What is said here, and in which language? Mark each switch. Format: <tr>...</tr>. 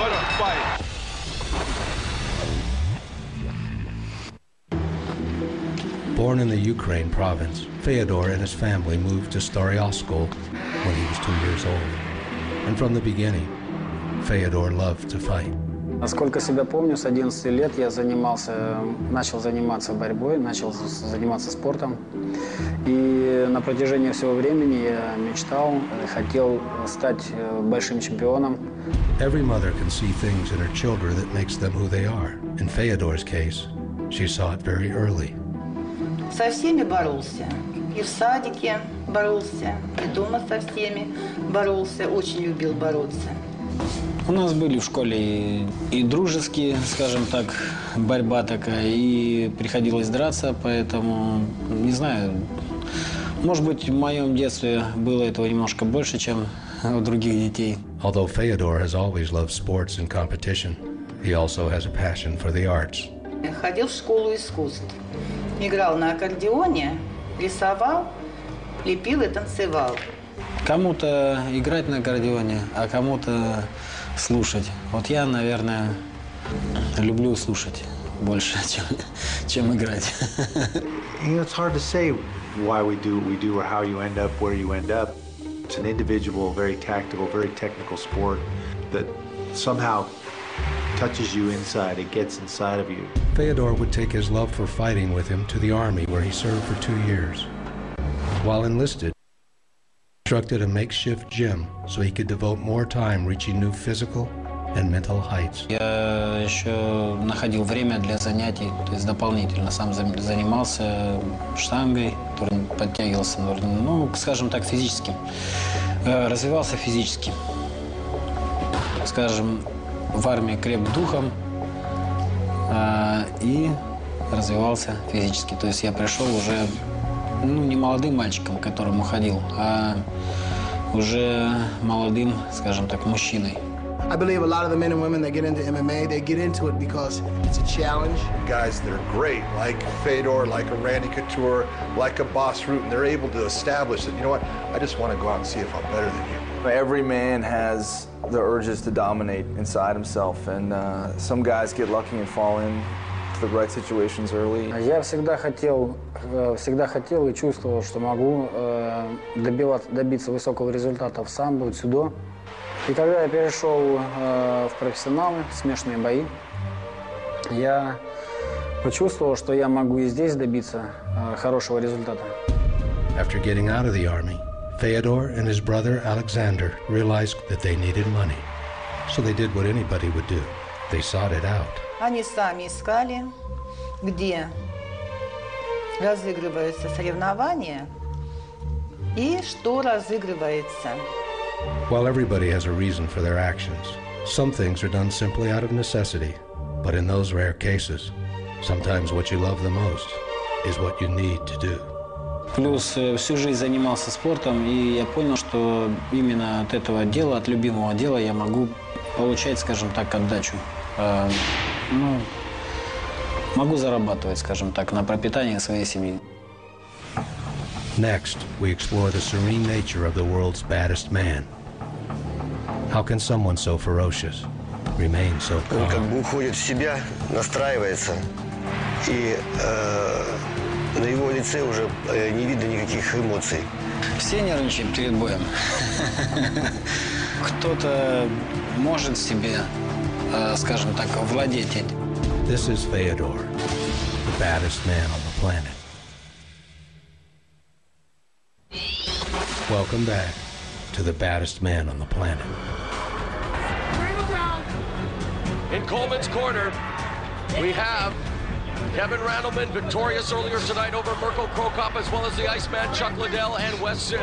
<en>What a fight. Born in the Ukraine province, Fedor and his family moved to Staryoskol when he was 2 years old. And from the beginning, Fedor loved to fight.</en> <ru>Насколько себя помню, с 11 лет я начал заниматься борьбой, начал заниматься спортом. И на протяжении всего времени я мечтал, хотел стать большим чемпионом.</ru> <en>Every mother can see things in her children that makes them who they are. In Fedor's case, she saw it very early.</en> <ru>Со всеми боролся. И в садике боролся, и дома со всеми боролся. Очень любил бороться. У нас были в школе и дружеские, скажем так, борьба такая. И приходилось драться, поэтому, не знаю, может быть, в моем детстве было этого немножко больше, чем у других детей.</ru> <en>Although Fedor has always loved sports and competition, he also has a passion for the arts.</en> <ru>Ходил в школу искусств. Играл на аккордеоне, рисовал, лепил и танцевал. Кому-то играть на аккордеоне, а кому-то слушать. Вот я, наверное, люблю слушать больше, чем играть.</ru> <en>You know, it's hard to say why we do what we do or how you end up where you end up. It's an individual, very tactical, very technical sport that somehow touches you inside, it gets inside of you. Fedor would take his love for fighting with him to the army where he served for 2 years. While enlisted, he constructed a makeshift gym so he could devote more time reaching new physical and mental heights.</en> <ru>Я еще находил время для занятий, то есть дополнительно сам занимался штангой, подтягивался, ну, скажем так, физическим. Развивался физически. Скажем, в армии креп духом. И развивался физически. То есть я пришел уже, ну, не молодым мальчиком, к которому ходил, а уже молодым, скажем так, мужчиной.</ru> <en>I believe a lot of the men and women that get into MMA, they get into it because it's a challenge. Guys that are great, like Fedor, like a Randy Couture, like a Boss Root, and they're able to establish that, you know what, I just want to go out and see if I'm better than you. Every man has the urges to dominate inside himself, and some guys get lucky and fall in to the right situations early.</en> <ru>Я всегда хотел, и чувствовал, что могу добиться высокого результата в самбо, в дзюдо. И когда я перешел в профессионалы, в смешанные бои, я почувствовал, что я могу и здесь добиться хорошего результата.</ru> <en>After getting out of the army, Fedor and his brother Alexander realized that they needed money. So they did what anybody would do. They sought it out.</en> <ru>Они сами искали, где разыгрываются соревнования и что разыгрывается.</ru> <en>While everybody has a reason for their actions, some things are done simply out of necessity. But in those rare cases, sometimes what you love the most is what you need to do.</en> <ru>Плюс всю жизнь занимался спортом, и я понял, что именно от этого дела, от любимого дела, я могу получать, скажем так, отдачу. Ну, могу зарабатывать, скажем так, на пропитание своей семьи.</ru> <en>Next, we explore the serene nature of the world's baddest man. How can someone so ferocious remain so calm?</en> <ru>Он как бы уходит в себя, настраивается, и на его лице уже не видно никаких эмоций. Все нервничаем перед боем. Кто-то может себе, скажем так, владеть этим.</ru> <en>This is Fedor, the baddest man on the planet. Welcome back to the baddest man on the planet. In Coleman's corner, we have Kevin Randleman, victorious earlier tonight over Mirko Krokop, as well as the Iceman, Chuck Liddell, and Wes Sims.</en>